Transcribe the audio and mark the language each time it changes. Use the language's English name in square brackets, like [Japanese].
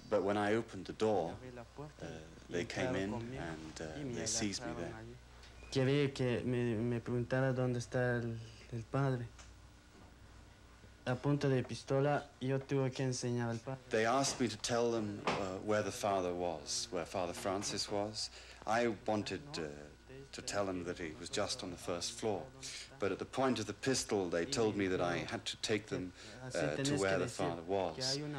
[English] But when I opened the door, they came in and they seized me there. [Spanish] Quería que me preguntara dónde está el padre. A punta de pistola, yo tuve que enseñar al padre. [English] They asked me to tell them where the father was, where Father Francis was. I wanted to tell them that he was just on the first floor. But at the point of the pistol, they told me that I had to take them to where the father was.